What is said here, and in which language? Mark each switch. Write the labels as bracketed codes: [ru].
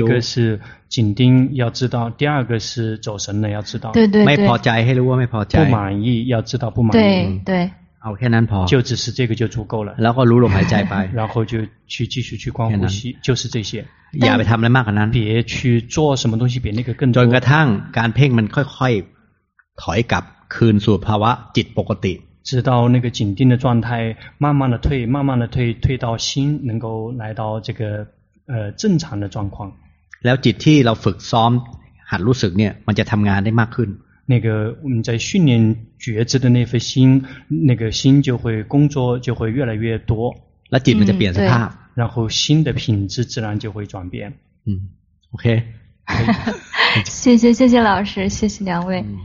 [zh] 个是紧盯要知道第二个是走神了要知道对对对不满意要知道不满意要知道不满意对对 [th] 好แค่นั้นพอ [zh] 就只是这个就足够了然后撸拢还在白然后就去继续去光呼吸就是这些 [th] อย่าไปทำอะไรมากกว่านั้น [zh] 别去做什么东西比那个更多 [th] จนกระทั่งการเพ่งมันค่อยๆถอยกลับคืนสู่ภาวะจิตปกติ [zh] 直到那个紧盯的状态慢慢的退慢慢的退退到心能够来到这个正常的状况 [th] แล้วจิตที่เราฝึกซ้อมหัดรู้สึกเนี่ยมันจะทำงานได้มากขึ้น [zh] 那个我们在训练觉知的那份心那个心就会工作就会越来越多 [th] แล้วจิตมันจะเปลี่ยนสภาพ [zh] 然后心的品质自然就会转变 [en] OK [zh] 谢谢老师谢谢两位